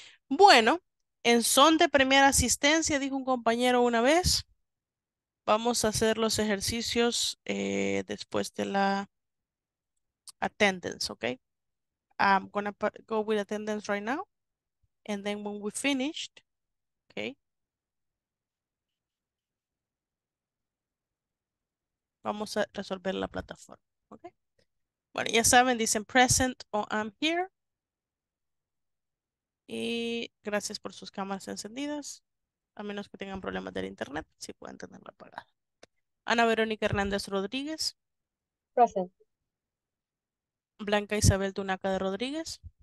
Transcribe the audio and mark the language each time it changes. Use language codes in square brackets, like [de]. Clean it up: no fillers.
[es] Bueno, en son de primera asistencia, dijo un compañero una vez, vamos a hacer los ejercicios después de la attendance, ok? [en] I'm gonna go with attendance right now, and then when we finished, ok? [es] Vamos a resolver la plataforma, ¿okay? Bueno, ya saben, dicen present o [en] I'm here. [es] Y gracias por sus cámaras encendidas. A menos que tengan problemas del internet, sí pueden tenerla apagada. Ana Verónica Hernández Rodríguez. [en] Present. [es] Blanca Isabel Tunaca de Rodríguez.